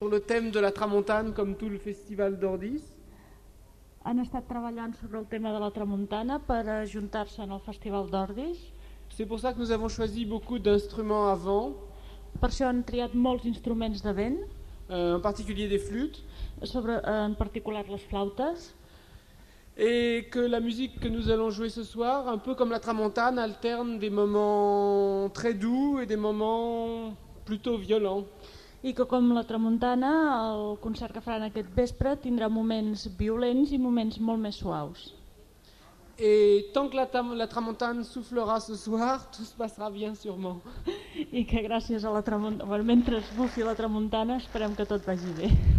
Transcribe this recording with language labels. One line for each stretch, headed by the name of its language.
French: Sur le thème de la tramontane, comme tout le festival d'Ordis.
Catalan: Han estat treballant sobre el tema de la tramuntana per ajuntar-se en el festival d'Ordis.
French: C'est pour ça que nous avons choisi beaucoup d'instruments avant.
Catalan: Per això han triat molts instruments de vent.
French: En particulier des flûtes.
Catalan: En particular les flautes.
French: Et que la musique que nous allons jouer ce soir, un peu comme la tramontane, alterne des moments très doux et des moments plutôt violents.
Catalan: I que com la tramuntana, el concert que faran aquest vespre tindrà moments violents i moments molt més suaus.
French: Et tant que la tramontane soufflera ce soir, tout se passera bien sûrement.
Catalan: I que gràcies a la tramuntana, mentre es bufi la tramuntana, esperem que tot vagi bé.